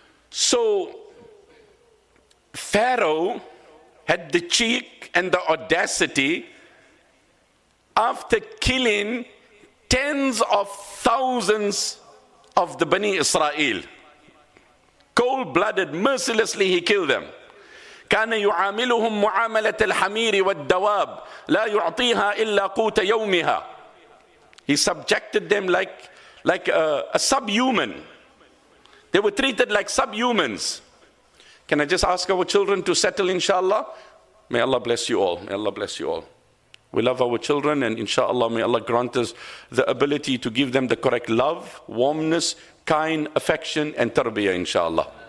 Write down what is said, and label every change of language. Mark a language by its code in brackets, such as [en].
[en] So Pharaoh had the cheek and the audacity after killing tens of thousands of the Bani Israel. Cold-blooded, mercilessly he killed them. [ar] كان يعاملهم معاملة الحمير والدواب لا يعطيها إلا قوت يومها. [en] He subjected them like a subhuman. They were treated like subhumans. Can I just ask our children to settle, inshallah? May Allah bless you all. May Allah bless you all. We love our children, and inshallah, may Allah grant us the ability to give them the correct love, warmness, kind affection, and tarbiyah, inshallah.